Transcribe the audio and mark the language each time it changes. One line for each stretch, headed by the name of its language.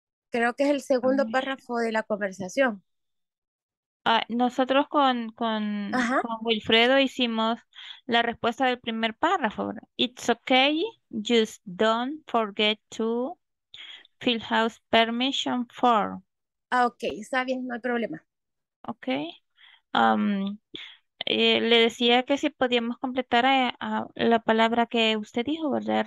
Spanish: Creo que es el segundo párrafo de la conversación. Nosotros con Wilfredo hicimos la respuesta del primer párrafo.
English: It's okay, just don't forget to fill out permission form.
Spanish: Ah, okay, está bien, no hay problema. Okay. Le decía que si podíamos completar a la palabra que usted dijo, ¿verdad?